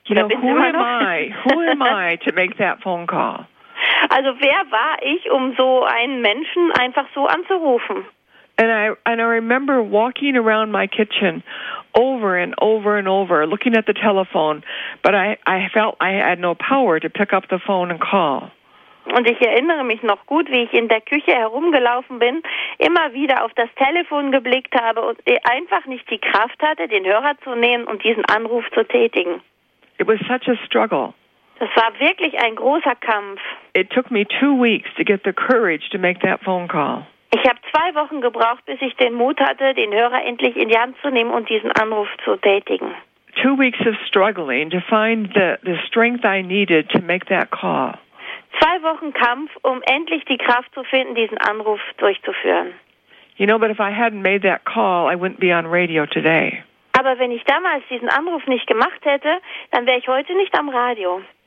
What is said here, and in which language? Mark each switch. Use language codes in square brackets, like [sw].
[en] Who am I to make that phone call? [de] Also wer war ich, um so einen Menschen einfach so anzurufen? [en] And I remember walking around my kitchen over and over and over, looking at the telephone, but I felt I had no power to pick up the phone and call. [de] Und ich erinnere mich noch gut, wie ich in der Küche herumgelaufen bin, immer wieder auf das Telefon geblickt habe und einfach nicht die Kraft hatte, den Hörer zu nehmen und diesen Anruf zu tätigen. [en] It was such a struggle. [de] Das war wirklich ein großer Kampf. [en] It took me 2 weeks to get the courage to make that phone call. [de] Ich habe 2 Wochen gebraucht, bis ich den Mut hatte, den Hörer endlich in die Hand zu nehmen und diesen Anruf zu tätigen. [en] 2 weeks of struggling to find the strength I needed to make that call. [de] 2 Wochen Kampf, um endlich die Kraft zu finden, diesen Anruf durchzuführen. [en] You know, but if I hadn't made that call, I wouldn't be on radio today. [de] Aber wenn ich damals diesen Anruf nicht gemacht hätte, dann wäre ich heute nicht am Radio.